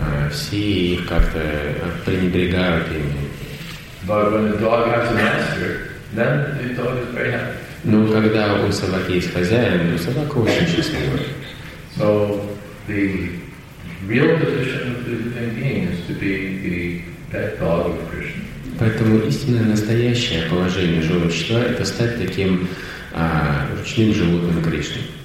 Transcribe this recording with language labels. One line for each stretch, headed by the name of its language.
Russian: Все их как-то пренебрегают ими. Но когда у собаки есть хозяин, то собака очень счастлива.
English: So the real position of the living being is to be the pet dog of Krishna.
Russian: Поэтому истинное настоящее положение живого существа — это стать таким ручным животным Кришны.